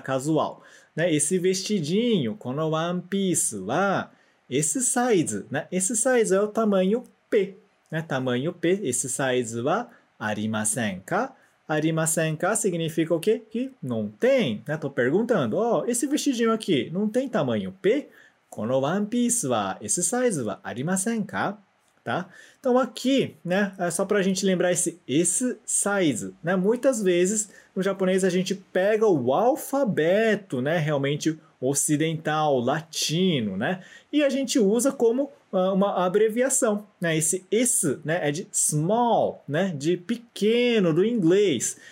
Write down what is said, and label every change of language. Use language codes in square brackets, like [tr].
[pt] Casual, né? Esse vestidinho, [ja] kono [pt] One Piece lá, esse size, né? Esse size é o tamanho P, né? Tamanho P, esse size lá, [ja] arimasen ka? Arimasen ka [pt] significa o quê? Que não tem, né? Tô perguntando. Ó, esse vestidinho aqui não tem tamanho P? [ja] このワンピースは S サイズはありませんか? [pt] Tá? Então aqui, né? É só pra gente lembrar esse S size, né? Muitas vezes no japonês a gente pega o alfabeto, né? Realmente ocidental, latino, né? E a gente usa como uma abreviação, né? Esse S, né? É de small, né? De pequeno, do inglês.